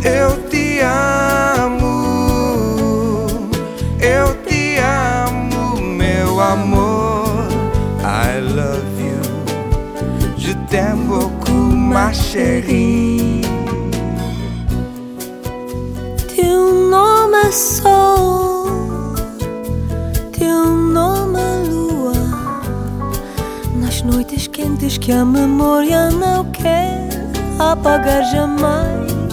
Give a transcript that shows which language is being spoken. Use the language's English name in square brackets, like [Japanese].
[Portuguese] Eu te amo, eu te amo, meu amor. [English] I love you. [French] Je t'aime beaucoup, ma chérie. [Portuguese] Teu nome é sol, teu nome é lua, nas noites quentes que a memória não quer apagar jamais.